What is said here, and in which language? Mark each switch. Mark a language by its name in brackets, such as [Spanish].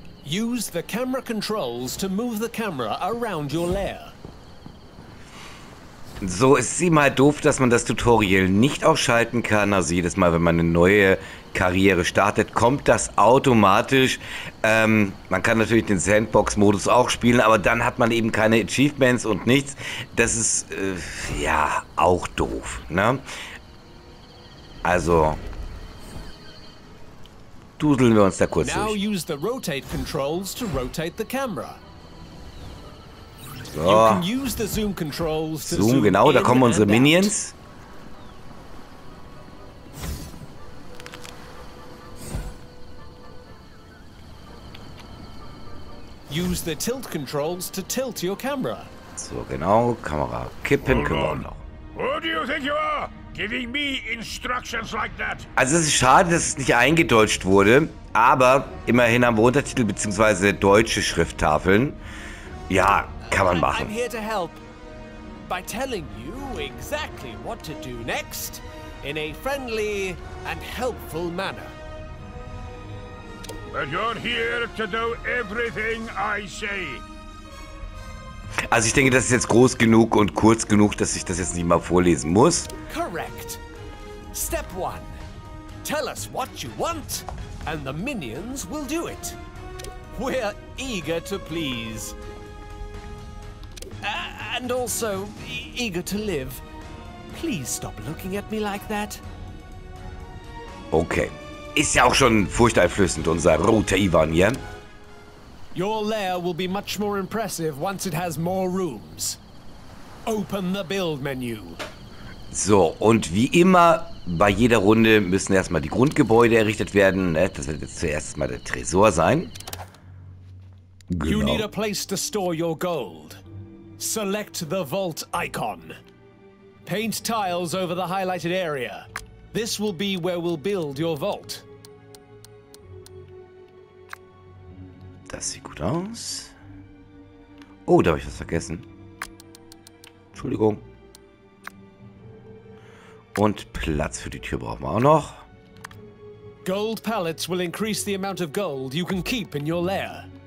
[English] Use the camera controls to move the camera around your lair. [German] So, es ist immer doof, dass man das Tutorial nicht ausschalten kann. Also jedes Mal, wenn man eine neue Karriere startet, kommt das automatisch. Man kann natürlich den Sandbox-Modus auch spielen, aber dann hat man eben keine Achievements und nichts. Das ist, ja, auch doof, ne? Also, duseln wir uns da kurz durch. [English] Now use the rotate controls to rotate the camera. [German] So. Zoom, genau, da kommen unsere Minions. [English] Use the tilt controls to tilt your camera. [German] So, genau, Kamera kippen können wir noch. [English] Who do you think you are? Giving me instructions like that. [German] Also es ist schade, dass es nicht eingedeutscht wurde, aber immerhin haben wir Untertitel bzw. deutsche Schrifttafeln. Ja. Kann man machen. [English] I'm here to help by telling you exactly what to do next in a friendly and helpful manner. But you're here to do everything I say. [German] Also ich denke, das ist jetzt groß genug und kurz genug, dass ich das jetzt nicht mal vorlesen muss. [English] Correct. Step one. Tell us what you want and the minions will do it. We're eager to please. And also eager to live. Please stop looking at me like that. Okay. [German] Ist ja auch schon furchteinflößend, unser roter Ivan hier. [English] Your lair will be much more impressive once it has more rooms. Open the build menu. [German] So, und wie immer, bei jeder Runde müssen erstmal die Grundgebäude errichtet werden. Das wird jetzt zuerst mal der Tresor sein. Genau. [English] You need a place to store your gold. Select the vault icon. Paint tiles over the highlighted area. This will be where we'll build your vault. [German] Das sieht gut aus. Oh, da habe ich was vergessen. Entschuldigung. Und Platz für die Tür brauchen wir auch noch. [English] Gold pallets will increase the amount of gold you can keep in your lair.